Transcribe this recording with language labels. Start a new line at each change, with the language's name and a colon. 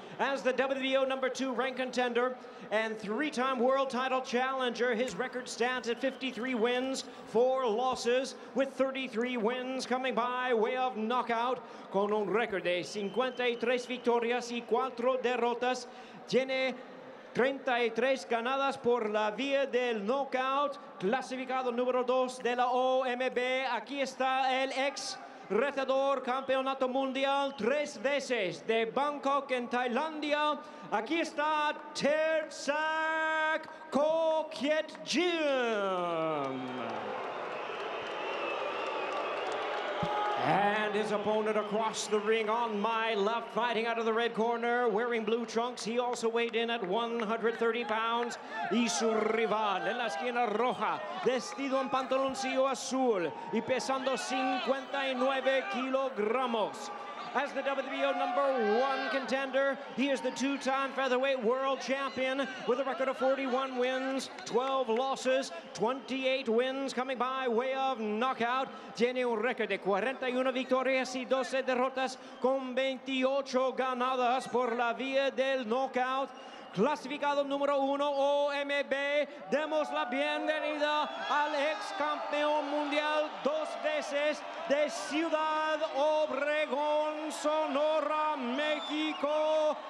English: As the WBO number 2 ranked contender and 3-time world title challenger, his record stands at 53 wins, 4 losses, with 33 wins coming by way of knockout.
Spanish: Con un record de 53 victorias y 4 derrotas, tiene 33 ganadas por la vía del knockout, clasificado número 2 de la OMB. Aquí está el ex retador campeonato mundial 3 veces de Bangkok en Tailandia. Aquí está Terzak Gokye Jim.
English: And his opponent across the ring on my left, fighting out of the red corner, wearing blue trunks. He also weighed in at 130 pounds.
Spanish: Y su rival en la esquina roja, vestido en pantaloncillo azul y pesando 59 kilogramos.
English: As the WBO number 1 contender, he is the 2-time featherweight world champion with a record of 41 wins, 12 losses, 28 wins coming by way of knockout.
Spanish: Tiene un record de 41 victorias y 12 derrotas con 28 ganadas por la vía del knockout. Clasificado número 1 OMB, demos la bienvenida al ex campeón mundial 2 veces de Ciudad Obregón, Sonora, México.